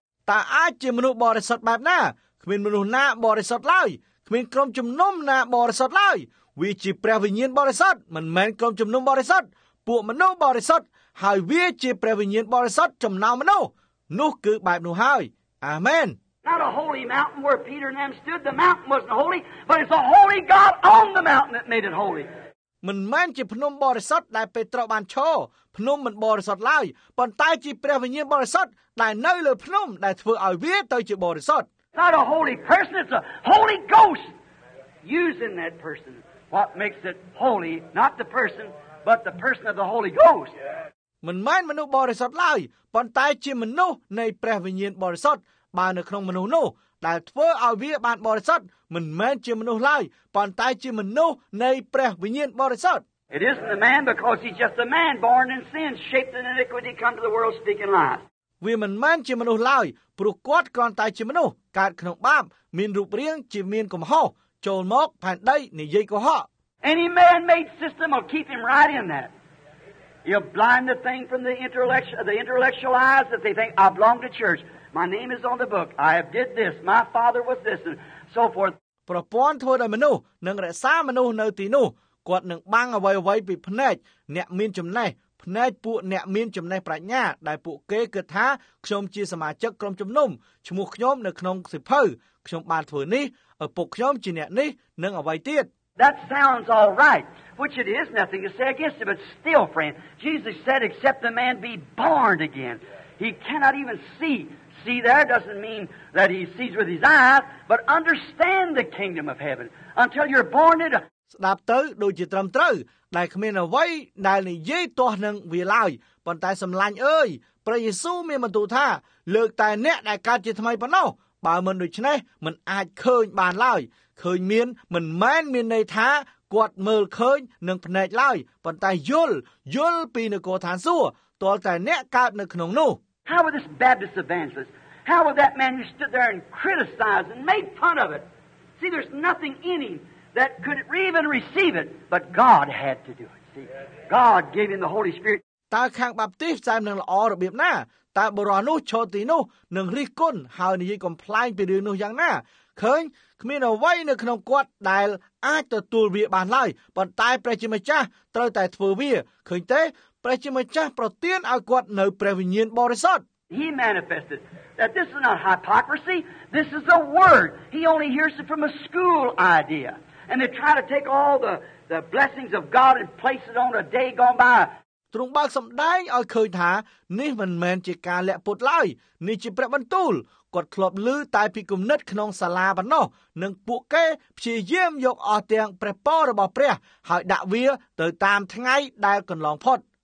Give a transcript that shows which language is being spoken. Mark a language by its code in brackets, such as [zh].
[km] តើអាចជាមនុស្សបរិសុទ្ធបែបណាគ្មានមនុស្សណាបរិសុទ្ធឡើយគ្មានក្រុមជំនុំណាបរិសុទ្ធឡើយវាជាព្រះវិញ្ញាណបរិសុទ្ធមិនមែនក្រុមជំនុំបរិសុទ្ធពួកមនុស្សបរិសុទ្ធហើយវាជាព្រះវិញ្ញាណបរិសុទ្ធចំណោមមនុស្សនោះគឺបែបនោះហើយអាមែន [en] Not a holy mountain where Peter and them stood the mountain wasn't holy but it's the holy God on the mountain that made it holy [km] មិនមែនជាភ្នំបរិសុទ្ធដែលពេត្រុសបានឈរភ្នំមិនបរិសុទ្ធឡើយប៉ុន្តែជាព្រះវិញ្ញាណបរិសុទ្ធដែលនៅលើភ្នំដែលធ្វើឲ្យវាទៅជាបរិសុទ្ធ [en] Not a holy person it's a holy ghost using that personWhat makes it holy not the person but the person of the Holy Ghost [km] មិនមែនមនុស្សបរិសុទ្ធឡើយប៉ុន្តែជាមនុស្សនៃព្រះវិញ្ញាណបរិសុទ្ធបើនៅក្នុងមនុស្សនោះដែលធ្វើឲ្យវាបានបរិសុទ្ធមិនមែនជាមនុស្សឡើយប៉ុន្តែជាមនុស្សនៃព្រះវិញ្ញាណបរិសុទ្ធ [en] It isn't the man because he's just a man born in sin, shaped in iniquity, come to the world speaking lies. [km] វាមិនមែនជាមនុស្សឡើយព្រោះគាត់គ្រាន់តែជាមនុស្សកើតក្នុងបាបមានរូបរាងជាមានកំហុសចូលមកផែនដីនិយាយកុហក [en] Any man made system will keep him right in that. You blind the thing from the intellectual eyes that they think I belong to church. My name is on the book. I have did this. My father was this and so forth. [km] ប្រព័ន្ធធ្វើដល់មនុស្សនឹងរក្សាមនុស្សនៅទីនោះគាត់នឹងបាំងអ្វីៗពីភ្នែកអ្នកមានចំណេះផ្នែកពួកអ្នកមានចំណេះប្រាជ្ញាដែលពួកគេគិតថាខ្ញុំជាសមាជិកក្រុមជំនុំឈ្មោះខ្ញុំនៅក្នុងសិភៅខ្ញុំបានធ្វើនេះឲ្យពួកខ្ញុំជាអ្នកនេះនឹងអ្វីទៀត [en] That sounds all right which it is nothing to say against it, but still friend Jesus said except the man be born again he cannot even see there doesn't mean that he sees with his eyes but understand the kingdom of heaven until you're born again [km] ស្ដាប់ទៅដូចជាត្រឹមត្រូវដែលគ្មានអ្វីដែលនិយាយទាស់នឹងវាឡើយប៉ុន្តែសម្លាញ់អើយព្រះយេស៊ូវមានបន្ទូលថាលើកតែអ្នកដែលកើតជាថ្មីប៉ុណ្ណោះបើមិនដូច្នេះមិនអាចឃើញបានឡើយឃើញមានមិនមែនមានន័យថាគាត់មើលឃើញនឹងភ្នែកឡើយប៉ុន្តែយល់ពីនគរឋានសួគ៌ទាល់តែអ្នកកើតនៅក្នុងនោះ [en] How would this Baptist evangelist how would that man who stood there and criticized and made fun of it see there's nothing in him that could even receive it but God had to do it see God gave him the Holy Spirit [km] តើខាងបាបទីផ្សែមនឹងល្អរបៀបណាតើបរិយនោះឈរទីនោះនឹងរិះគន់ហើយនិយាយកំ្លែងពីរឿងនោះយ៉ាងណាឃើញគ្មានអ្វីនៅក្នុងគាត់ដែលអាចទទួលវាបានឡើយប៉ុន្តែព្រះជាម្ចាស់ត្រូវតែធ្វើវាឃើញទេព្រះជាម្ចាស់ប្រទានឲ្យគាត់នៅព្រះវិញ្ញាណបរិសុទ្ធ [en] He manifested that this is not hypocrisy this is a word he only hears it from a school idea and they try to take all the blessings of God and place it on a day gone by [km] ទ្រង់បើកសម្ដែងឲ្យឃើញថានេះមិនមែនជាការលាក់ពុតឡើយនេះជាព្រះបន្ទូលគាត់ធ្លាប់ឮតែពីគំនិតក្នុងសាលាបំណោះនឹងពួកគេព្យាយាមយកអស់ទាំងព្រះពររបស់ព្រះហើយដាក់វាទៅតាមថ្ងៃដែលកន្លងផុត